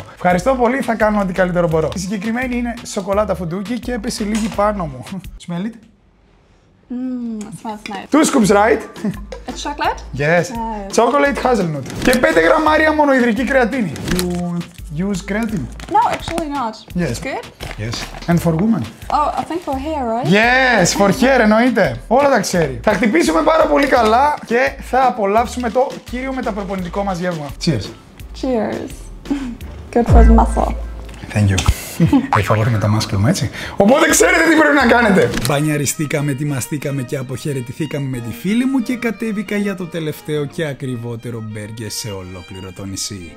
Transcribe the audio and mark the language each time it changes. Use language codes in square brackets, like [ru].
[el] Ευχαριστώ πολύ, θα κάνω ό,τι καλύτερο μπορώ. Η συγκεκριμένη είναι σοκολάτα φουντούκι και έπεσε λίγη πάνω μου. [en] Smell it. Smells nice. 2 scoops, right? It's chocolate? Yes. Nice. Chocolate hazelnut. [el] Και 5 γραμμάρια μονοϊδρική κρεατίνη. [en] You use creatine? No, actually not. Yes. It's good? Yes. And for women? Oh, I think for hair, right? Yes, for hair, [el] εννοείται. Όλα τα ξέρει. Θα χτυπήσουμε πάρα πολύ καλά και θα απολαύσουμε το κύριο μεταπροπονητικό μας γεύμα. [en] Cheers. Cheers. Good for the muscle. Thank you. [el] Έχει φαγωθεί με τα μάσκλα μου, έτσι. Οπότε ξέρετε τι πρέπει να κάνετε. Μπανιαριστήκαμε, ετοιμαστήκαμε και αποχαιρετηθήκαμε με τη φίλη μου και κατέβηκα για το τελευταίο και ακριβότερο μπέργκερ σε ολόκληρο το νησί.